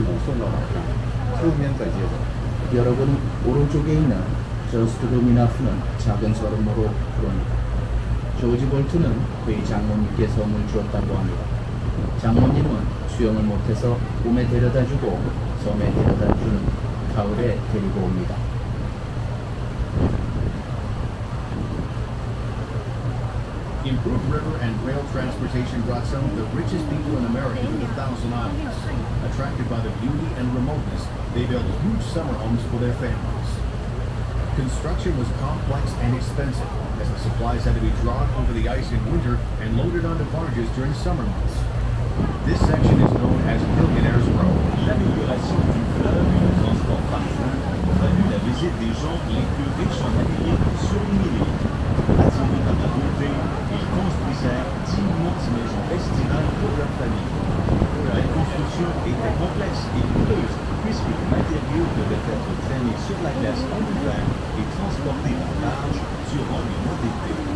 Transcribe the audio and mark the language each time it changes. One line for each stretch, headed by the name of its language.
Chinese: 右边的小岛叫做旧待在布里，据说乔治波特先生把这个小岛给了他的岳母，他的岳母不会游泳，他春天的时候就把岳母送到岛上，秋天再接走。
Korean: 여러분 오른쪽에 있는 저스트루미나프는 작은 섬으로 부릅니다. 조지 볼트는 그의 장모님께 섬을 주었다고 합니다. 장모님은 수영을 못해서 봄에 데려다주고 섬에 데려다주는 가을에 데리고 옵니다.
English: Improved river and rail transportation brought some of the richest people in America to the Thousand Islands. Attracted by the beauty and remoteness, they built huge summer homes for their families. Construction was complex and expensive, as the supplies had to be drawn over the ice in winter and loaded onto barges during summer months. This section is known as Millionaire's Row.
French: L'amélioration du fleuve et le transport par train a valu la visite des gens les plus riches en Amérique sur une île. Attirés par la beauté, ils construisaient 10 immenses maisons estivales pour leur famille. La construction était complexe et coûteuse, puisque le matériau devait être traîné sur la glace en hiver et transporté par barge durant les mois d'été.